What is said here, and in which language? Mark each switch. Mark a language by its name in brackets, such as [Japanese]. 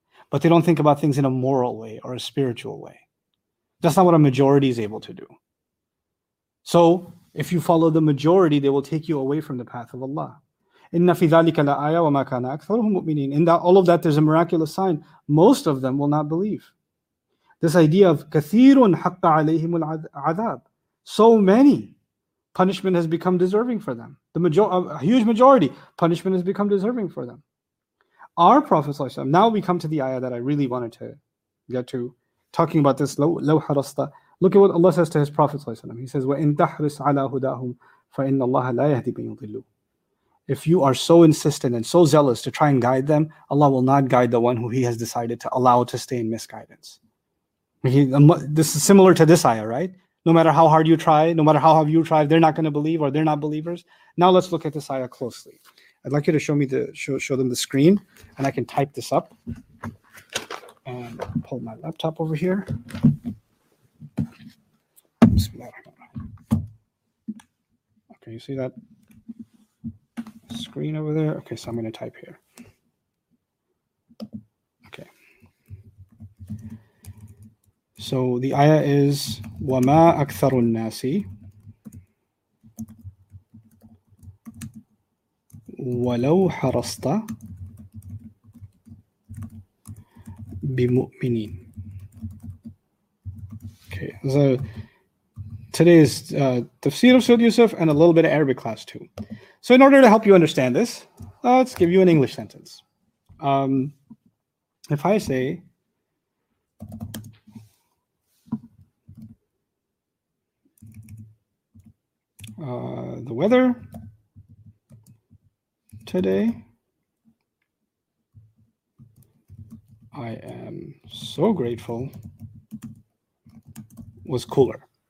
[English] But they don't think about things in a moral way or a spiritual way. That's not what a majority is able to do. So if you follow the majority, they will take you away from the path of Allah. [Arabic] إِنَّ فِي ذَلِكَ لَآيَةٌ وَمَا كَانَ أَكْثَرُهُمْ مُؤْمِنِينَ. [English] In that, all of that, there's a miraculous sign. Most of them will not believe. This idea of [Arabic] كَثِيرٌ حَقَّ عَلَيْهِمُ الْعَذَابِ. [English] So many. Punishment has become deserving for them. A huge majority, punishment has become deserving for them. Our Prophet ﷺ, now we come to the ayah that I really wanted to get to, talking about this, [Arabic] لَوْ حَرَصْتَ. [English] Look at what Allah says to His Prophet ﷺ. He says, [Arabic] وَإِنْ تَحْرِسْ عَلَىٰ هُدَاهُمْ فَإِنَّ اللَّهَ لَا يَهْدِي مَنْ يُضِلُّ. [English] If you are so insistent and so zealous to try and guide them, Allah will not guide the one who He has decided to allow to stay in misguidance. This is similar to this ayah, right? No matter how hard you try, no matter how hard you try, they're not going to believe, or they're not believers. Now let's look at this ayah closely. I'd like you to show them the screen, and I can type this up and pull my laptop over here. Okay, you see that screen over there? Okay, so I'm going to type here. Okay. So the ayah is [Arabic] وَمَا أَكْثَرُ النَّاسِ وَلَوْ حَرَصْتَ بِمُؤْمِنِينَ. [English] Okay, so today is Tafsir of Surah Yusuf and a little bit of Arabic class too. So in order to help you understand this, let's give you an English sentence. If I say, the weather today, I am so grateful, was cooler.